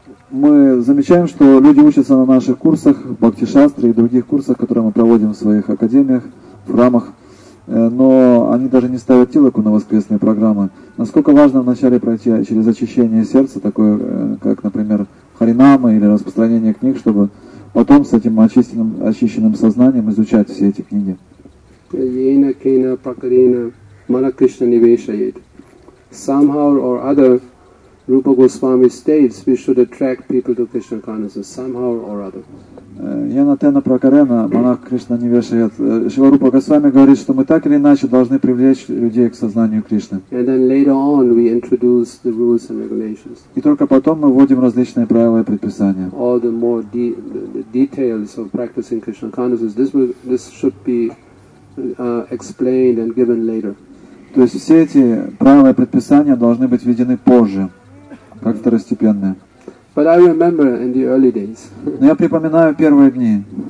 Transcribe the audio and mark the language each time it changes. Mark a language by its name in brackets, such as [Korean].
[Russian] Мы замечаем, что люди учатся на наших курсах Бхакти-шастре и других курсах, которые мы проводим в своих академиях, в храмах, но они даже не ставят тилаку на воскресные программы. Насколько важно вначале пройти через очищение сердца, такое как, например, харинамы или распространение книг, чтобы потом с этим очищенным сознанием изучать все эти книги? [Sanskrit] Yena kena prakarena mana krishna niveshayet. [English] Somehow or other, Rupa Goswami states, we should attract people to Krishna consciousness somehow or other. [Sanskrit] Yena tena prakarena mana krishna niveshayet. [Russian] Шрила Рупа Госвами говорит, что мы так или иначе должны привлечь людей к сознанию Кришны. [English] And then later on we introduce the rules and regulations. [Russian] И только потом мы вводим различные правила и предписания. [English] All the more the details of practicing Krishna consciousness, this should be explained and given later. [Russian] То есть все эти правила и предписания должны быть введены позже, как второстепенные. [English] But I remember in the early days. [Russian] Но я припоминаю первые дни.